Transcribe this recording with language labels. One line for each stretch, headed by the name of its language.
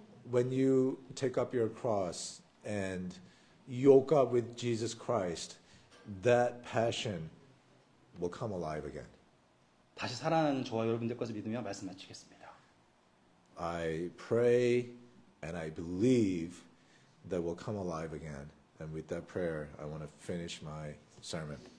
English: When you take up your cross and yoke up with Jesus Christ, that passion will come alive again.
Korean: 다시 살아나는 저와 여러분들 것을 믿으며 말씀 마치겠습니다.
English: I pray and I believe that will come alive again. And with that prayer, I want to finish my sermon.